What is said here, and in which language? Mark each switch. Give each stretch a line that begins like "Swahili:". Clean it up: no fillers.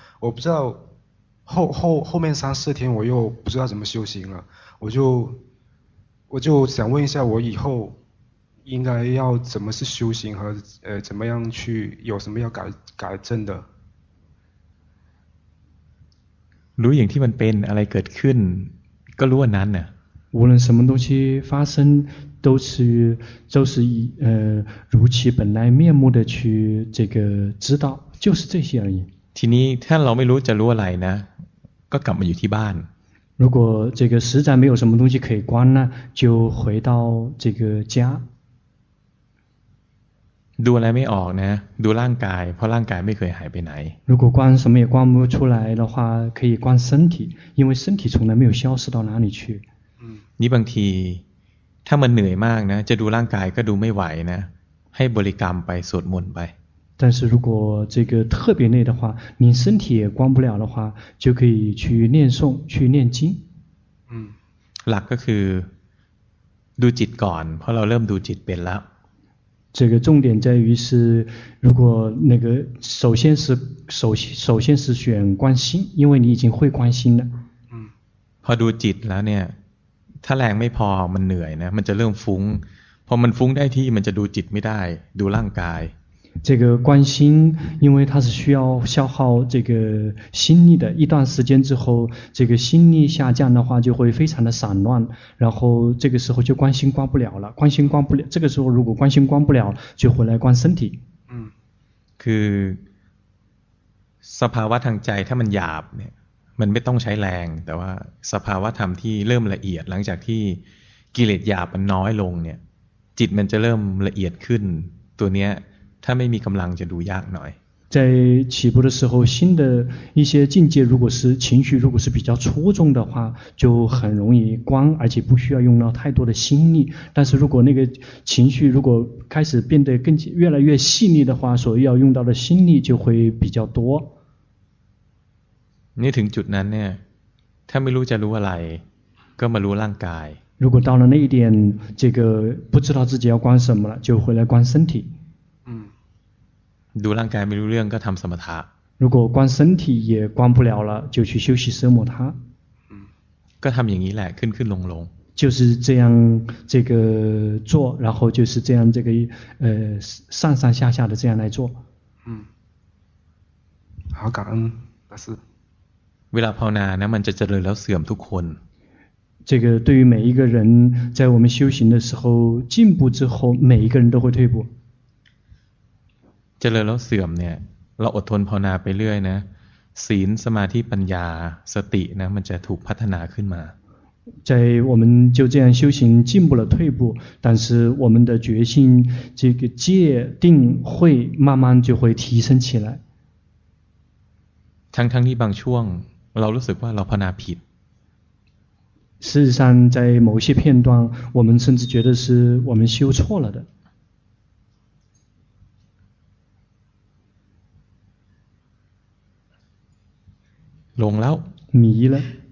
Chinese: 我不知道后面三四天我又不知道怎么修行了，我就想问一下，我以后应该要怎么是修行和怎么样去有什么要改正的
Thai: รู้อย่างที่มันเป็นอะไรเกิดขึ้นก็รู้ว่านั้นน่ะ
Chinese: 无论什么东西发生都是以如其本来面目的去这个知道就是这些而已
Thai: ทีนี้ถ้าเราไม่รู้จะรู้อะไรนะก็กลับมาอยู่ที่บ้าน
Chinese: 如果这个实在没有什么东西可以观呢就回到这个家
Thai: ดูอะไรไม่ออกนะดูร่างกายเพราะร่างกายไม่เคยหายไปไหน
Chinese: 如果观什么也观不出来的话可以观身体因为身体从来没有消失到哪里去
Thai: นี่บางทีถ้ามันเหนื่อยมากนะจะดูร่างกายก็ดูไม่ไหวนะให้บริกรรมไปสวดมนต์ไป
Chinese: 但是如果这个特别累的话你身体也观不了的话就可以去念诵去念经
Thai: หลักก็คือดูจิตก่อนเพราะเราเริ่มดูจิตเป็นแล้ว
Chinese: 这个重点在于是如果那个首先是选观心因为你已经会观心了
Thai: พอดูจิตแล้วเนี่ยถ้าแรงไม่พอมันเหนื่อยนะมันจะเริ่มฟุ้งพอมันฟุ้งได้ที่มันจะดูจิตไม่ได้ดูร่างกาย
Chinese: 这个观心因为它是需要消耗这个心力的一段时间之后这个心力下降的话就会非常的散乱然后这个时候就观心观不了了观心观不了这个时候如果观心观不了就回来观身体
Thai: คือสภาวะทางใจถ้ามันหยาบเนี่ยมันไม่ต้องใช้แรงแต่ว่าสภาวะธรรมที่เริ่มละเอียดหลังจากที่กิเลสหยาบมันน้อยลงเนี่ยจิตมันจะเริ่มละเอียดขึ้นตัวเนี้ยถ้าไม่มีกำลังจะดูยากหน่อย
Chinese: 在起步的时候新的一些境界如果是情绪如果是比较粗重的话就很容易观而且不需要用到太多的心力但是如果那个情绪如果开始变得更越来越细腻的话所要用到的心力就会比较多
Thai: นี่ถึงจุดนั้นเนี่ยถ้าไม่รู้จะรู้อะไรก็มารู้ร่างกาย
Chinese: 如果到了那一点这个不知道自己要观什么了就回来观身体
Thai: ดูร่างกายไม่รู้เรื่องก็ทำสมถะ
Chinese: 如果观身体也观不了了就去休息奢摩他
Thai: ก็ทำอย่างนี้แหละขึ้นๆลง
Chinese: ๆ就是这样这个做然后就是这样这个上上下下的这样来做好感恩大师
Thai: เวลาภาวนานะมันจะเจริญแล้วเสื่อมทุกคน
Chinese: 这个对于每一个人在我们修行的时候进步之后每一个人都会退步
Thai: เจริญแล้วเสื่อมเนี่ยเราอดทนภาวนาไปเรื่อยนะศีลสมาธิปัญญาสตินะมันจะถูกพัฒนาขึ้นมา
Chinese: 在我们就这样修行进步了退步但是我们的决心这个戒定慧慢慢就会提升起来
Thai: ทั้งที่บางช่วงเรารู้สึกว่าเราภาวนาผิด
Chinese: 事实上在某些片段我们甚至觉得是我们修错了的
Thai: หลงแล้ว หนีแล้ว